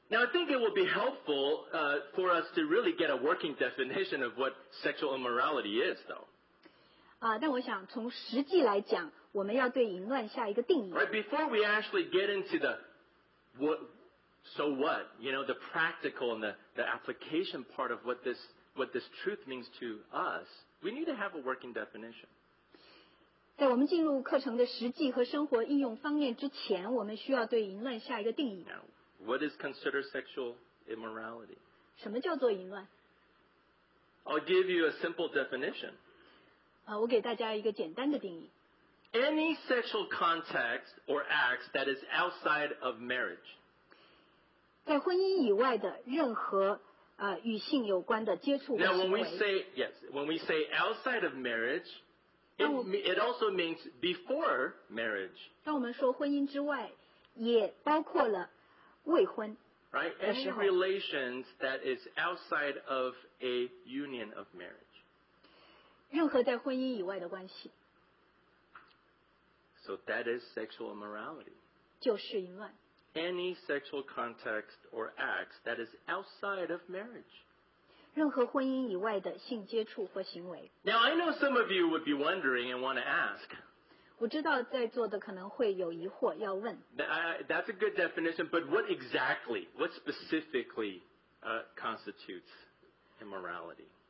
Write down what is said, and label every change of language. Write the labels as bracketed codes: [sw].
[en] Now I think it will be helpful for us to really get a working definition of what sexual immorality is, though. [zh] 但我想从实际来讲, 我们要对淫乱下一个定义。 [en] Right, before we actually get into the what, so what, you know, the practical and the application part of what this truth means to us, we need to have a working definition. [zh] 在我们进入课程的实际和生活应用方面之前, 我们需要对淫乱下一个定义。 [en] Now, what is considered sexual immorality? [zh] 什么叫做淫乱? [en] I'll give you a simple definition. [zh] 我给大家一个简单的定义。 [en] Any sexual contact or acts that is outside of marriage. [zh] 在婚姻以外的任何 [en] Now, when we say outside of marriage, it also means before marriage. [zh] 当我们说婚姻之外, 也包括了未婚, [en] right? Any relations that is outside of a union of marriage. [zh] 任何在婚姻以外的关系, [en] so that is sexual immorality. [zh] 就是淫乱。 [en] Any sexual context or acts that is outside of marriage. [zh] 任何婚姻以外的性接触或行为。 [en] Now I know some of you would be wondering and want to ask. [zh] 我知道在座的可能会有疑惑要问。 [en] That's a good definition, but what exactly, what specifically constitutes immorality?